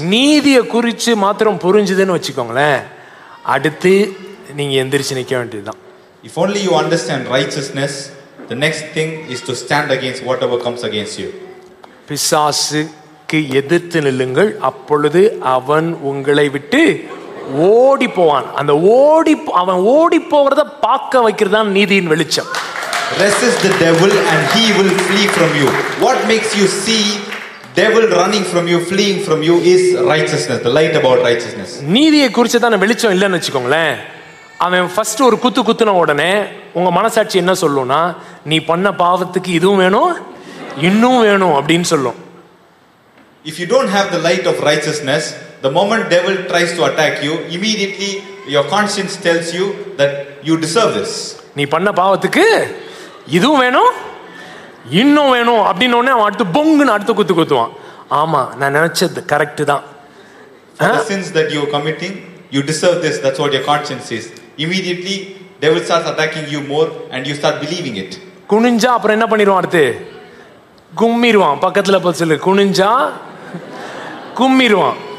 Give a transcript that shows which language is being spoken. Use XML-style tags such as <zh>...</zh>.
<ta>Neethiya kurichu maatram purinjidhenu vechikkoongla, அடுத்து நீங்க எந்திரிச்சு நிக்க வேண்டியதுதான்.</ta> <en>If only you understand righteousness, the next thing is to stand against whatever comes against you.</en> <ta>பிசாசுக்கு எதிர்த்து நில்லுங்கள், அப்பொழுது அவன் உங்களை விட்டு ஓடி போவான். அந்த அவன் ஓடி போறத பார்க்க வைக்கிறதான் நீதியின் வெளிச்சம்.</ta> <en>Resist the devil and he will flee from you. What makes you see devil running from you, fleeing from you is righteousness, the light about righteousness.</en> <ta>நீதிய குறிச்ச தான வெளிச்சம் இல்லனு வெச்சுக்கோங்களே, அவன் ஃபர்ஸ்ட் ஒரு குத்து குத்துன உடனே உங்க மனசாட்சி என்ன சொல்லுனா, நீ பண்ண பாவத்துக்கு இதுவும் வேணும் இன்னும் வேணும் அப்படினு சொல்லும்.</ta> <en>If you don't have the light of righteousness, the moment devil tries to attack you, immediately your conscience tells you that you deserve this.</en> <ta>நீ பண்ண பாவத்துக்கு இதுவும் வேணும் இன்னும் வேணும் அப்படின்னு அவன் அடுத்து பொங்குன்னு அடுத்து குத்து குத்துவான். ஆமா, நான் நினைச்சது கரெக்ட் தான்.</ta> <en>For the sins that you are committing, you deserve this. That's what your conscience is. Immediately, devil starts attacking you more and you start believing it.</en> <ta>குனிஞ்சா அப்புறம் என்ன பண்ணிடுவான்? அடுத்து கும்மிடுவான். பக்கத்துல போய் சொல்லு, குனிஞ்சா கும்மிடுவான்.</ta>